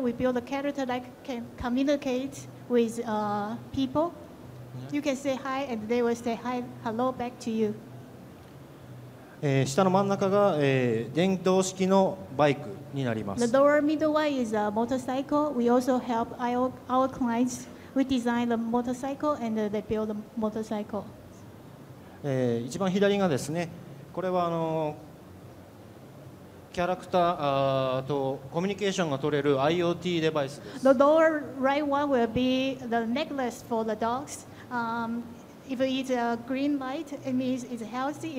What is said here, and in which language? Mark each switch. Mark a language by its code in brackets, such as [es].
[en] We build a character that can communicate with people. You can say hi, and they will say hi, hello back to you. [ja] 下の真ん中が電動式のバイクになります。 [en] The lower middle one is a motorcycle. We also help our clients. We design the motorcycle and they build the motorcycle. [ja] 一番左がですね、これはキャラクターとコミュニケーションが取れる IoT デバイスです。 [en] The lower right one will be the necklace for the dogs. If it's a green light, it means it's healthy.